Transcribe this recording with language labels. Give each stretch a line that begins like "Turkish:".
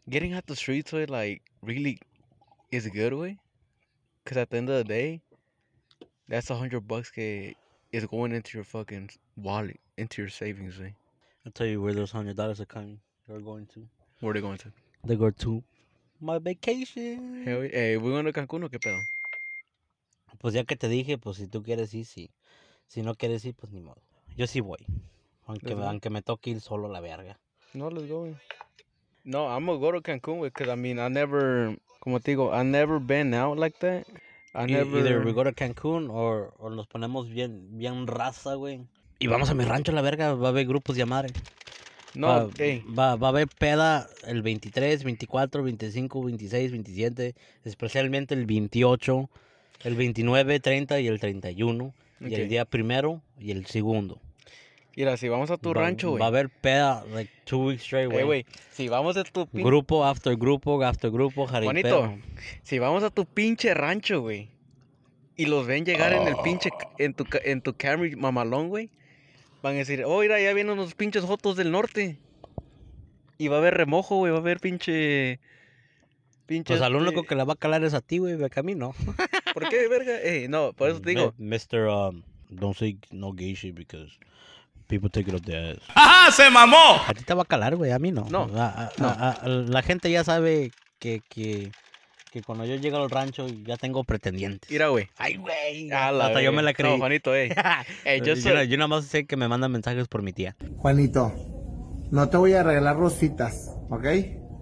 English: Getting out the streets with like really is a good way, cause at the end of the day, that's $100 que is going into your fucking wallet, into your savings. Way. I'll tell you where those $100 are coming. They're going to. Where are they going to? They go to. My vacation. Hey, we're going to Cancun or
Spanish: qué pedo? Pues ya que te dije, pues si tú quieres ir, sí. Si no quieres ir, pues ni modo. Yo sí voy. Aunque me toque ir solo a la verga.
English: No, let's go. No, I'm going to go to Cancun, because I mean, I never been out like that. Either we go to Cancun or
Spanish: nos ponemos bien, bien raza,
English: güey.
Spanish: Y vamos a mi rancho a la verga, va a haber grupos de madre. No, va a haber peda el 23, 24, 25, 26, 27, especialmente el 28, el 29, 30 y el 31, okay. Y el día primero y el segundo. Mira, si vamos a tu rancho, güey. Va a haber peda,
English: like, 2 weeks straight,
Spanish: güey. Güey, si vamos a tu pinche... Grupo after grupo, after grupo, jaripeo. Juanito, si vamos a tu pinche rancho, güey, y los ven llegar en el pinche, en tu Camry mamalón, güey. Van a decir, oh, mira, ya vienen unos pinches jotos del norte. Y va a haber remojo, güey, va a haber pinche... Pues al único que la va a calar es a ti, güey, a mí no. ¿Por qué, verga? No, por eso te digo.
English: Mr., don't say no gay shit because people take it up their ass.
Spanish: ¡Ajá, se mamó! A ti te va a calar, güey, a mí no. No, La gente ya sabe que cuando yo llego al rancho ya tengo pretendientes. Mira, güey. Ay, güey. Hasta yo me la creí. No, Juanito, yo nada más sé que me mandan mensajes por mi tía. Juanito, no te voy a regalar rositas, ¿ok?